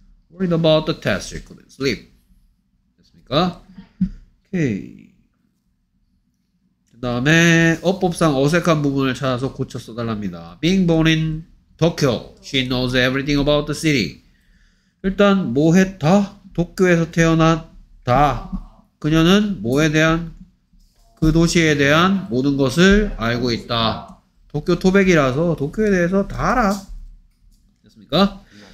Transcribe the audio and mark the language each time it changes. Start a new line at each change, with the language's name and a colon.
English: 'Worried about the test, she couldn't sleep.
Korean: 됐습니까? 오케이. 그 다음에 어법상 어색한 부분을 찾아서 고쳐 써달랍니다.
English: Being born in Tokyo, she knows everything about the city.
Korean: 일단 뭐 했다? 도쿄에서 태어났다. 그녀는 뭐에 대한 그 도시에 대한 모든 것을 알고 있다. 도쿄 토백이라서 도쿄에 대해서 다 알아. 됐습니까?